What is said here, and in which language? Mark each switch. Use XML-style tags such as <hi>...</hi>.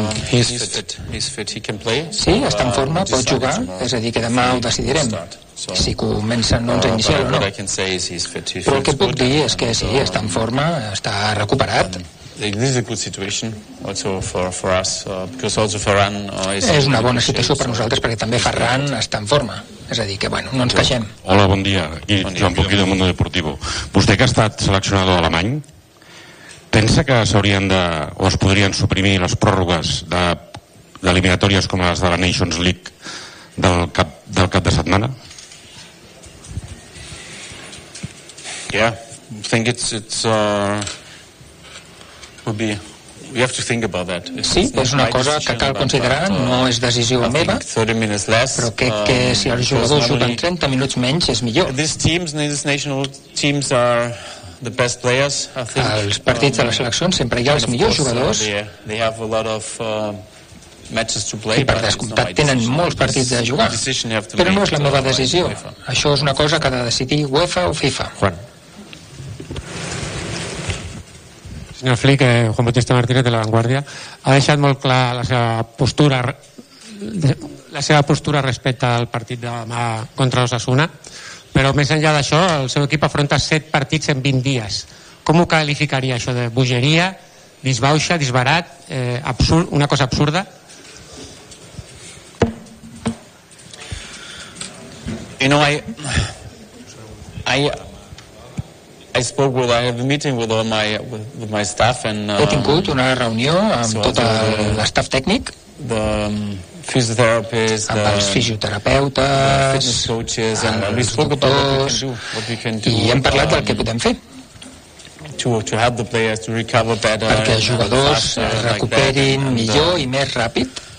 <en>He's fit, he can play.</en> <ca>Sí, està en forma, pot jugar, és a dir, que demà ho decidirem. Si comença en 11 inicial o no. Però el que puc dir és que sí, està en forma, està recuperat.</ca> <en>This is a good situation also for us, because also Ferran is...</en> <ca>És una bona situació per nosaltres, perquè també Ferran està en forma. És a dir, que bueno, no ens queixem. Hola, bon dia. Aquí, Joan Poquí, del Mundo Deportivo. Vostè que ha estat seleccionador alemany, pensa que s'haurien de, o es podrien suprimir les pròrrogues d'eliminatòries com les de la Nations League del cap de setmana?</ca> <en>Yeah, I think it's would be... We have to think about that.</en> <ca>Sí, és una cosa que cal considerar, no és decisió meva, però crec que si els jugadors juguen 30 minuts menys és millor.</ca> <en>These national teams are the best players, I think.</en> <ca>Els partits de la selecció sempre hi ha els millors jugadors.</ca> <en>They have a lot of matches to play,</en> <ca>i per descomptat tenen molts partits de jugar, però no és la meva decisió. Això és una cosa que ha de decidir UEFA o FIFA. Juan. Senyor Flick, Juan Bautista Martínez, de La Vanguardia. Ha deixat molt clar la seva postura respecte al partit de demà contra Osasuna, però més enllà d'això, el seu equip afronta 7 partits en 20 dies. Com ho qualificaria això de bogeria, disbauxa, disbarat, absurd, una cosa absurda?</ca> <en>You know, I spoke with, I have a meeting with all my with my staff and</en> <ca>he tingut una reunió amb tot l'staff tècnic,</ca> <en>the physiotherapists,</en> <ca>amb els fisioterapeutes,</ca> <en>fitness coaches, and we spoke about what we can do,</en> <ca>i hem parlat del que podem fer</ca> <en>to help the players to recover better,</en> <ca>perquè els jugadors recuperin millor i més ràpid.</ca>